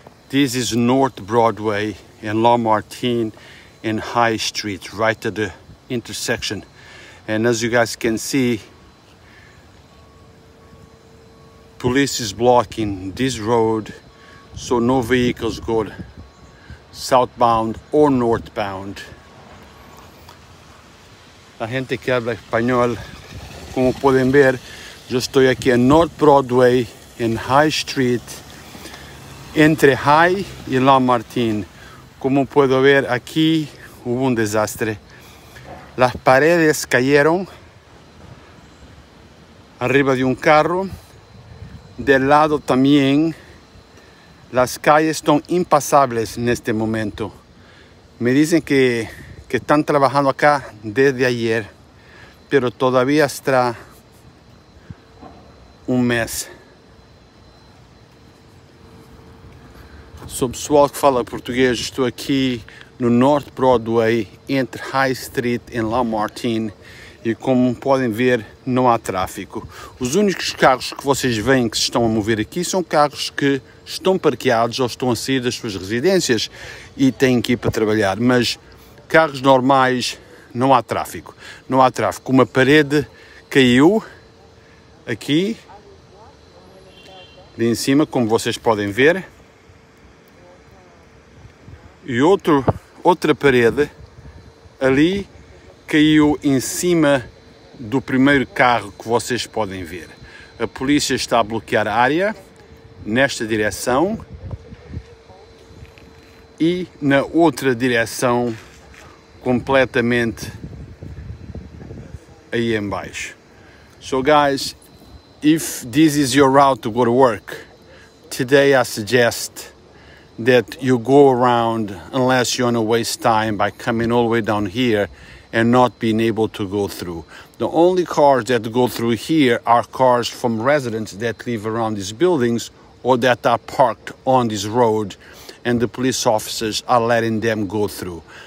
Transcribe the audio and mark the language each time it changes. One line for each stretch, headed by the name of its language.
English: This is North Broadway in La Martine in High Street, right at the intersection. And as you guys can see, police is blocking this road, so no vehicles go southbound or northbound.
Spanish: La gente que habla español, como pueden ver, yo estoy aquí en North Broadway in High Street, entre High y La Martine. Como puedo ver, aquí hubo un desastre. Las paredes cayeron arriba de un carro. Del lado también. Las calles son impasables en este momento. Me dicen que están trabajando acá desde ayer, pero todavía está un mes.
Portuguese: Sou pessoal que fala português, estou aqui no North Broadway, entre High Street e La Martine, e como podem ver, não há tráfico. Os únicos carros que vocês veem que se estão a mover aqui são carros que estão parqueados ou estão a sair das suas residências e têm que ir para trabalhar, mas carros normais não há tráfico. Não há tráfico. Uma parede caiu aqui de em cima, como vocês podem ver, e outra parede ali caiu em cima do primeiro carro que vocês podem ver. A polícia está a bloquear a área nesta direção e na outra direção, completamente aí em baixo.
English: So guys, if this is your route to go to work, today I suggest that you go around, unless you want to waste time by coming all the way down here and not being able to go through. The only cars that go through here are cars from residents that live around these buildings or that are parked on this road, and the police officers are letting them go through.